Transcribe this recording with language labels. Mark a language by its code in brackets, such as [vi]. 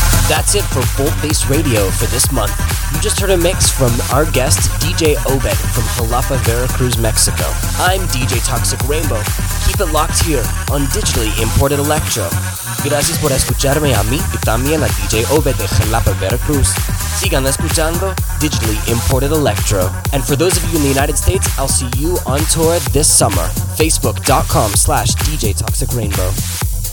[en] That's it for Bolt Bass Radio for this month. You just heard a mix from our guest, DJ Obed, from Jalapa, Veracruz, Mexico. I'm DJ Toxic Rainbow. Keep it locked here on Digitally Imported Electro. [es] Gracias por escucharme a mí y también a DJ Obed de Jalapa, Veracruz. Sigan escuchando Digitally Imported Electro. [en] And for those of you in the United States, I'll see you on tour this summer. Facebook.com/DJ Toxic Rainbow.